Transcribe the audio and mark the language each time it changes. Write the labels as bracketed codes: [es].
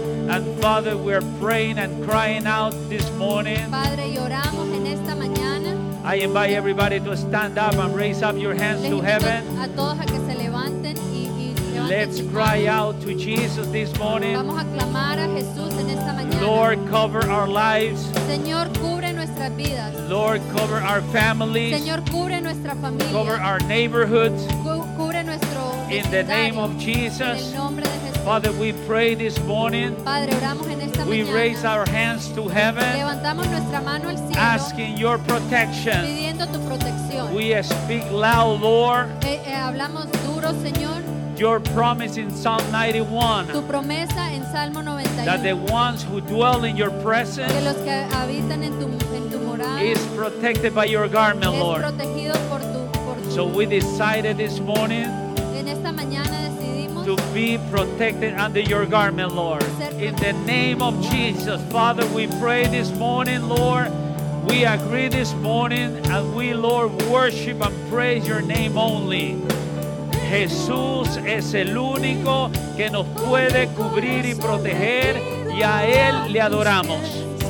[en] And Father, we are praying and crying out this morning. [es] Padre, lloramos en esta mañana. [en] I invite everybody to stand up and raise up your hands to heaven. [es] A todos a que se levanten y [en] let's cry out to Jesus this morning. [es] Vamos a clamar a Jesús en esta mañana. [en] Lord, cover our lives. [es] Señor, cubre nuestras vidas. [en] Lord, cover our families. [es] Señor, cubre nuestra familia. [en] Cover our neighborhoods. [es] Cubre nuestro [en] in the name of Jesus. [es] En el nombre de Jesús. [en] Father, we pray this morning. [es] Padre, oramos en esta [en] we [es] mañana. [en] Raise our hands to heaven. [es] Levantamos nuestra mano al cielo. [en] Asking your protection. [es] Pidiendo tu protección. [en] We speak loud, Lord. [es] Hablamos duro, Señor. [en] Your promise in Psalm 91. [es] Tu promesa en Salmo 91. [en] That the ones who dwell in your presence. [es] Que los que habitan en tu morada. [en] Is protected by your garment, [es] es [en] Lord. [es] Protegido por tu. [en] So we decided this morning. [es] En esta mañana decidimos. [en] To be protected under your garment, Lord. In the name of Jesus, Father, we pray this morning, Lord. We agree this morning and we, Lord, worship and praise your name only. [es] Jesús es el único que nos puede cubrir y proteger y a Él le adoramos.